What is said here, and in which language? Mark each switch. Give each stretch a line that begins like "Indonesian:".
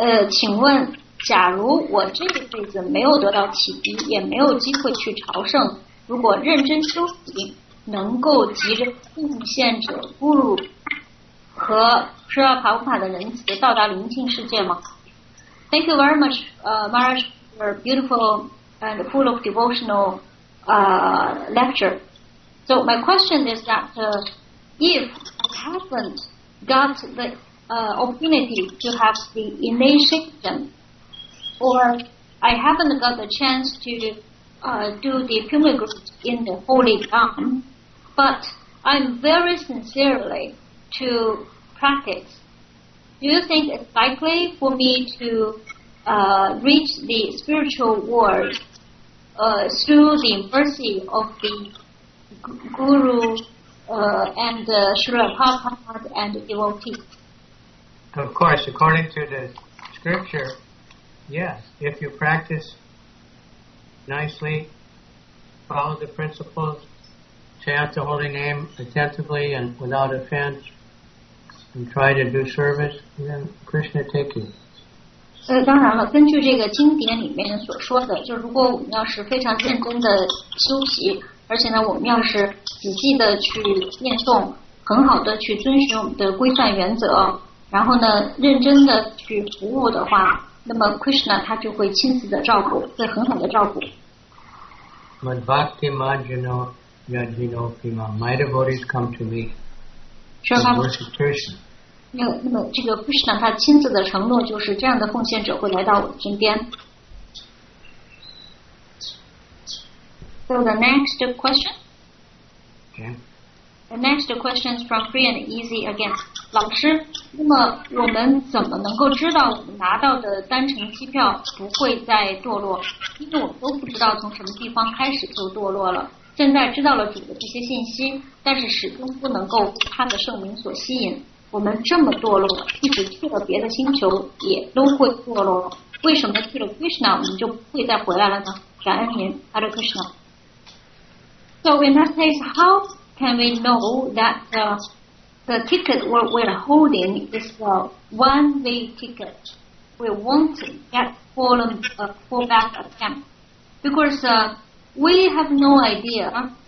Chinese: 请问假如我这个辈子没有得到启迪，也没有机会去朝圣，如果认真修行，能够集着奉献者 Guru 和施瓦卡乌卡的仁慈到达灵性世界吗？
English: Thank you very much, Maharaj, for a beautiful and full of devotional lecture. So my question is that if I haven't got the opportunity to have the initiation, or I haven't got the chance to do the pilgrimage in the Holy Ground, but I'm very sincerely to practice, do you think it's likely for me to reach the spiritual world through the mercy of the Guru and Srila Prabhupada and devotee? Of course, according to the scripture, yes. If you practice nicely, follow the principles, chant the holy name attentively and without offense, and try to do service, then Krishna take you.
Chinese: 当然了，根据这个经典里面所说的，就如果我们要是非常认真的修习，而且呢，我们要是仔细的去念诵，很好的去遵循我们的规范原则，然后呢，认真的去服务的话，那么 Krishna 他就会亲自的照顾，会很好的照顾。
Sanskrit: Madhvakti Majino Yajino Pima,
English: my devotees come to me. Krishna.
Chinese: 那么这个 Krishna 他亲自的承诺就是这样的奉献者会来到我身边。
English: So the next question. Okay. The next question is from Free and Easy again.
Chinese: 老师，那么我们怎么能够知道我们拿到的单程机票不会再堕落？因为我们都不知道从什么地方开始就堕落了。现在知道了主的这些信息，但是始终不能够被他的圣名所吸引。我们这么堕落，一直去了别的星球也都会堕落，为什么去了 Krishna 我们就不会再回来了呢？感恩您 Hare Krishna.
English: So in that case, how can we know that the ticket we're holding is a one-way ticket? We won't get fallback attempt. Because we have no idea